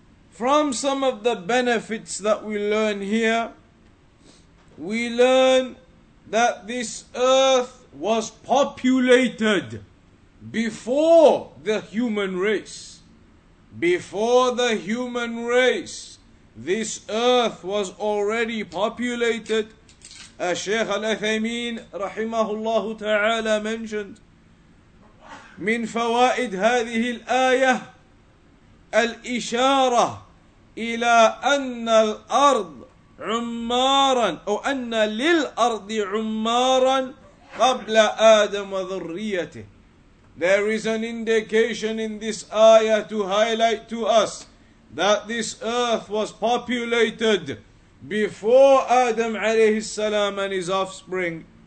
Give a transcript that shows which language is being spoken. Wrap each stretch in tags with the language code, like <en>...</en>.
<en>From some of the benefits that we learn here, we learn that this earth was populated before the human race. Before the human race, this earth was already populated.</en> <ar>Shaykh Al-Uthaymeen رحمه الله</ar> <en>mentioned</en> <ar>من فوائد هذه الآية الإشارة إلى أن الأرض عمارا أو أن للأرض عمارا قبل آدم وذريته.</ar> <en>There is an indication in this ayah to highlight to us that this earth was populated before Adam alayhi salam and his offspring.</en>